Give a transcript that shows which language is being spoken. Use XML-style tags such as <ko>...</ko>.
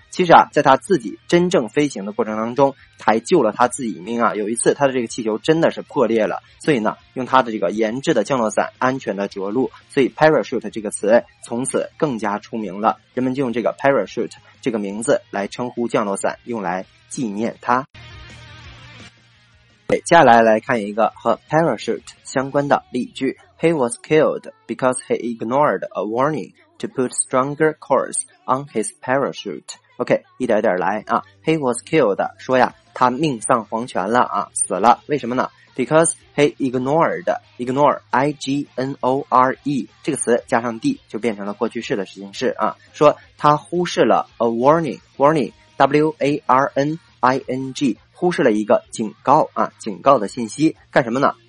<zh>其实啊在他自己真正飞行的过程当中还救了他自己命啊，有一次他的这个气球真的是破裂了，所以呢用他的这个研制的降落伞安全的着陆，所以 parachute 这个词从此更加出名了，人们就用这个 parachute 这个名字来称呼降落伞，用来纪念他。接下来来看一个和 parachute 相关的例句。</zh> <en>He was killed because he ignored a warningTo put stronger cords on his parachute.</en> <zh>OK, 一点点来啊。</zh> <en>He was killed,</en> <zh>说呀他命丧黄泉了啊，死了。为什么呢？</zh> <en>Because he ignore,</en> <zh>I-G-N-O-R-E, 这个词加上 D 就变成了过去式的实形式啊。说他忽视了 a warning, W-A-R-N-I-N-G, 忽视了一个警告啊，警告的信息。干什么呢？</zh>